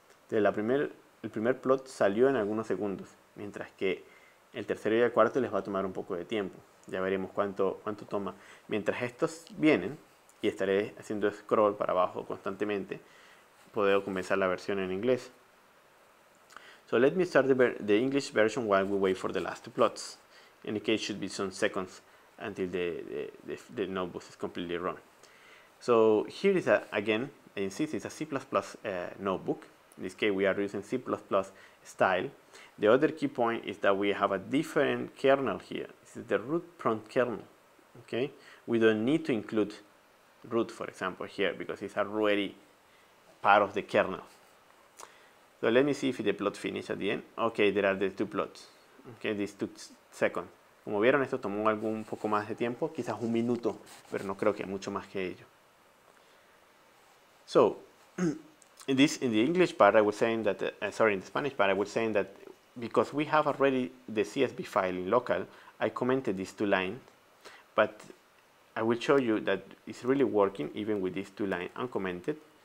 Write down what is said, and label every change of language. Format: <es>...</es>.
<es>Entonces, el primer plot salió en algunos segundos, mientras que el tercero y el cuarto les va a tomar un poco de tiempo. Ya veremos cuánto toma. Mientras estos vienen, y estaré haciendo scroll para abajo constantemente, puedo comenzar la versión en inglés.</es> <en>So let me start the English version while we wait for the last two plots. In the case, it should be some seconds until the notebook is completely run. So here is it's a C++ notebook. In this case, we are using C++ style. The other key point is that we have a different kernel here. This is the root prompt kernel, okay? We don't need to include root, for example, here because it's already part of the kernel. So let me see if the plot finished at the end. Okay, there are the two plots. Okay, this took seconds.</en> <es>Como vieron, esto tomó un poco más de tiempo, quizás un minuto, pero no creo que mucho más que ello.</es> <en>So, in the English part, I was saying that, in the Spanish part, I was saying that because we have already the CSV file in local, I commented these two lines, but I will show you that it's really working even with these two lines uncommented.</en>